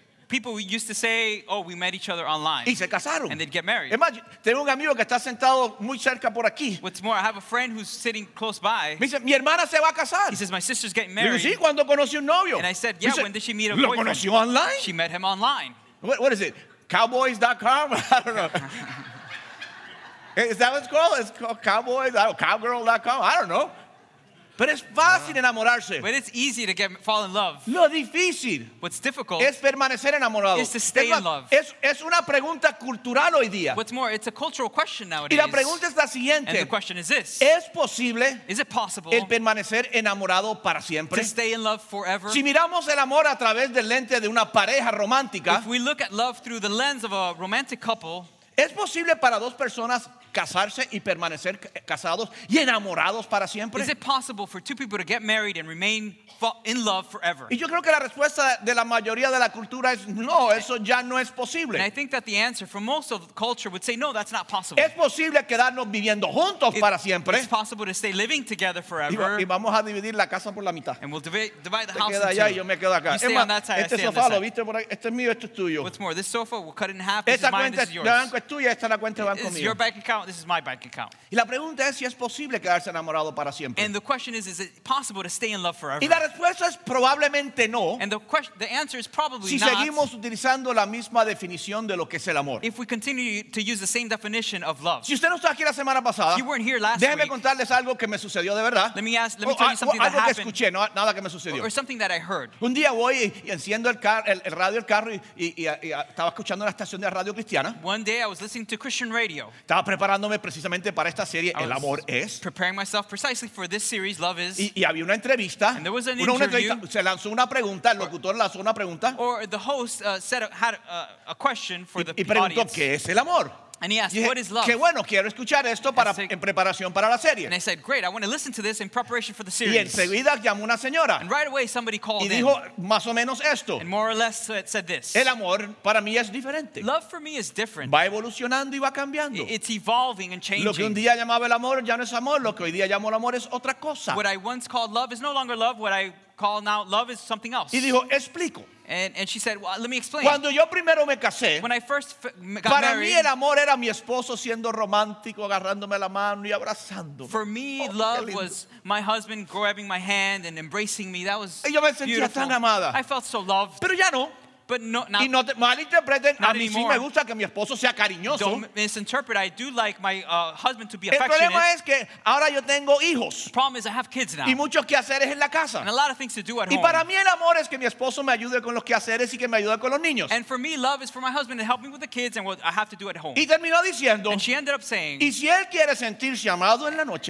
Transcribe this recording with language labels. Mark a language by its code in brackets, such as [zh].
[en] People used to say, oh, we met each other online. [es] Y se casaron. [en] And they'd get married. [es] Es más, tengo un amigo que está sentado muy cerca por aquí. [en] What's more, I have a friend who's sitting close by. [es] Me dice, mi hermana se va a casar. [en] He says, my sister's getting married. [es] Digo, sí, ¿cuándo conoció un novio? [en] And I said, yeah, [es] dice, [en] when did she meet a [es] lo [en] boyfriend? [es] ¿Lo conoció online? [en] She met him online. What is it? Cowboys.com? I don't know. Is that what it's called? It's called cowboys, cowgirl.com? I don't know. [es] Pero es fácil enamorarse. [en] But it's easy to get fall in love. [es] Lo difícil. [en] What's difficult [es] es permanecer enamorado. [en] Is to stay in love. [es] Es una pregunta cultural hoy día. [en] What's more, it's a cultural question nowadays. [es] Y la pregunta es la siguiente. [en] And the question is this. [es] ¿Es posible? [en] Is it possible [es] el permanecer enamorado para siempre? [en] To stay in love forever. [es] Si miramos el amor a través del lente de una pareja romántica. [en] If we look at love through the lens of a romantic couple. [es] ¿Es posible para dos personas casarse y permanecer casados y enamorados para siempre? [en] Is it possible for two people to get married and remain in love forever? [es] Y yo creo que la respuesta de la mayoría de la cultura es no, eso ya no es posible. [en] And I think that the answer for most of the culture would say no, that's not possible. [es] ¿Es posible quedarnos viviendo juntos para siempre? [en] It's possible to stay living together forever. [es] Y vamos a dividir la casa por la mitad. [en] And we'll divide the house. [es] Te queda allá y yo me quedo acá. [en] You stay on that side, [es] este sofá lo viste por ahí, este es mío, esto es tuyo. [en] What's more, this sofa we'll cut it in half. This is mine, this is yours. [es] Esta cuenta es tuya, esta la cuenta del banco mío. [en] It's your bank account. This is my bank account. [es] Y la pregunta es si es posible quedarse enamorado para siempre. [en] And the question is it possible to stay in love forever? [es] Y la respuesta es probablemente no. [en] And the answer is probably [es] si [en] not. [es] Si seguimos utilizando la misma definición de lo que es el amor. [en] If we continue to use the same definition of love. [es] Si usted no estaba aquí la semana pasada. [en] You weren't here last week. [es] Déjeme contarles algo que me sucedió de verdad. [en] Let me tell you something that happened. [es] Que sucedió. [en] Or something that I heard. [es] Un día voy y enciendo el radio del carro y estaba escuchando la estación de radio cristiana. [en] One day I was listening to Christian radio. [es] Estaba preparando precisamente para esta serie El Amor Es. [en] Preparing myself precisely for this series, Love Is. [es] Y había una entrevista. [en] And there was an interview. [es] Se lanzó una pregunta. El locutor lanzó una pregunta. [en] Or the host had a question for the audience. [es] Y preguntó qué es el amor. [en] And he asked, "What is love?" [es] Qué bueno, quiero escuchar esto para en preparación para la serie. [en] And I said, "Great, I want to listen to this in preparation for the series." [es] Y enseguida llamó una señora. [en] And right away, somebody called in. [es] Y dijo más o menos esto. [en] And more or less, it said this. [es] El amor para mí es diferente. [en] Love for me is different. [es] Va evolucionando y va cambiando. [en] It's evolving and changing. [es] Lo que un día llamaba el amor ya no es amor. Lo que hoy día llamo el amor es otra cosa. [en] What I once called love is no longer love. What I call now love is something else. [es] Y dijo, explico. [en] And she said, well, let me explain. [es] Cuando yo primero me casé, [en] when I first got [es] para [en] married, [es] mí el amor era mi esposo siendo romántico, agarrándome la mano y abrazándome. [en] For me, oh, love was my husband grabbing my hand and embracing me. That was [es] y yo me [en] beautiful. [es] Sentía tan amada. [en] I felt so loved. [es] Pero ya no. [en] But no, not, [es] y no te malinterpreten, a mí sí me gusta que mi esposo sea cariñoso. [en] Don't misinterpret, I do like my husband to be affectionate. [es] El problema es que ahora yo tengo hijos. [en] The problem is I have kids now. [es] Y muchos quehaceres en la casa. [en] And a lot of things to do at home. [es] Y para mí el amor es que mi esposo me ayude con los quehaceres y que me ayude con los niños. [en] And for me, love is for my husband to help me with the kids and what I have to do at home. [es] Y terminó diciendo, [en] and she ended up saying, [es] y si él quiere sentirse amado en la noche,